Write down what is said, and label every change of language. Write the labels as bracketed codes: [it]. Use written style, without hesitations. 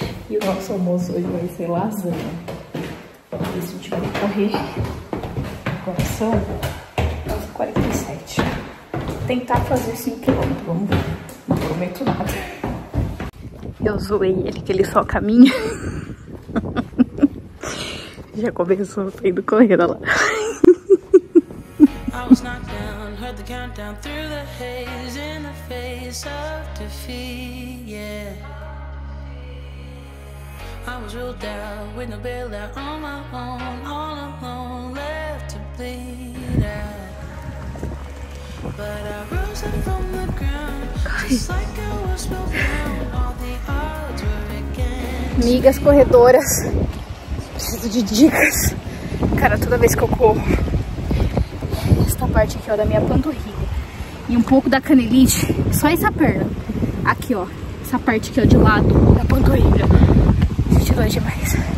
[pt] E o nosso almoço hoje vai ser lasanha. E se a gente vai correr, agora são 11h47. Tentar fazer 5 km, vamos ver. Não prometo nada. Eu zoei ele que ele só caminha. Já começou, tá indo correr, olha lá. [en] I was knocked down, heard the countdown through the haze in the face of defeat, yeah. I was ruled out with no bailout on my own, all alone, left to bleed out. But I rose up from the ground, just like I was spellbound, all the odds were against me. [pt] Amigas corredoras, preciso de dicas. Cara, toda vez que eu corro, esta parte aqui, ó, da minha panturrilha e um pouco da canelite, só essa perna aqui, ó, essa parte aqui, ó, de lado da panturrilha, sente dói demais.